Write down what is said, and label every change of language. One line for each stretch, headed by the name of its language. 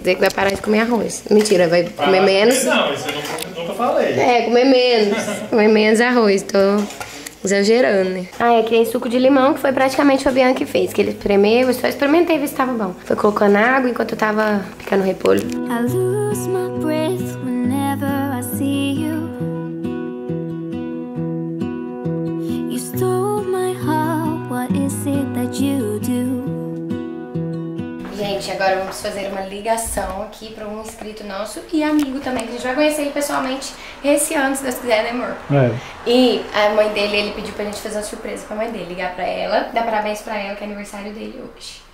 Portuguese: Dizer que vai parar de comer arroz. Mentira, vai parar comer menos. Não, isso eu nunca falei. É, comer menos. Comer menos arroz. Tô exagerando, né? Ah, e aqui tem suco de limão, que foi praticamente o Fabiano que fez. Que ele espremeu, eu só experimentei ver se tava bom. Foi colocando água enquanto eu tava picando repolho.
English: I lose my breath whenever I see you. You stole my heart, what is it that you do?
Portuguese: Gente, agora vamos fazer uma ligação aqui para um inscrito nosso e amigo também, que a gente vai conhecer ele pessoalmente esse ano, se Deus quiser, né, amor? É. E a mãe dele, ele pediu pra gente fazer uma surpresa pra mãe dele, ligar pra ela, dar parabéns pra ela, que é aniversário dele hoje.